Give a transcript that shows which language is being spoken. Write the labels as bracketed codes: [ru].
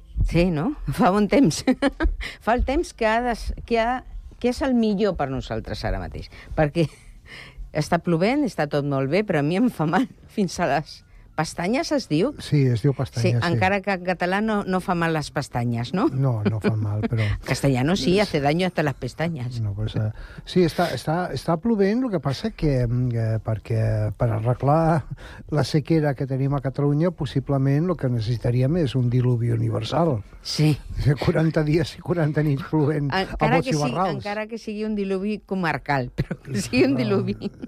[ca] Sí, no? Fa bon temps. Fa el temps que és el millor per nosaltres ara mateix. Perquè està plovent, està tot molt bé, però a mi em fa mal fins a les pastanyes, es diu? Sí, es diu pastanyes. Sí, sí. Encara que en català no fa mal les pastanyes, no? No, no fa mal, però... [es] En castellano sí, hace daño hasta las pestañas. [ca] No, pues, sí, està plovent, el que passa que perquè per arreglar la sequera que tenim a Catalunya, possiblement el que necessitaríem és un diluvi universal. Sí. 40 dies i 40 nits plovent encara a bots i barrals. Sí, encara que sigui un diluvi comarcal, però que sigui un diluvi.